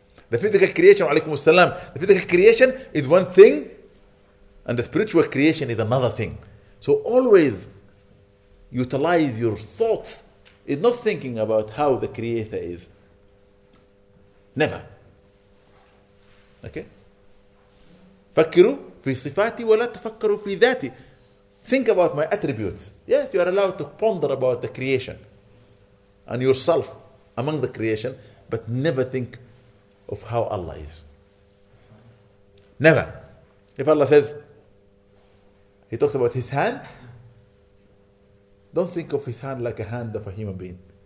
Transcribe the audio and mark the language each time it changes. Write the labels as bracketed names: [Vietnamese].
[English] The physical creation, alaykum as-salam, the physical creation is one thing and the spiritual creation is another thing. So always utilize your thoughts. It's not thinking about how the creator is. Never. Okay? [Arabic] فكروا في صفاتي ولا تفكروا في ذاتي. [English] Think about my attributes. Yes, you are allowed to ponder about the creation and yourself among the creation, but never think of how Allah is. Never. If Allah says, He talks about His hand, don't think of His hand like a hand of a human being.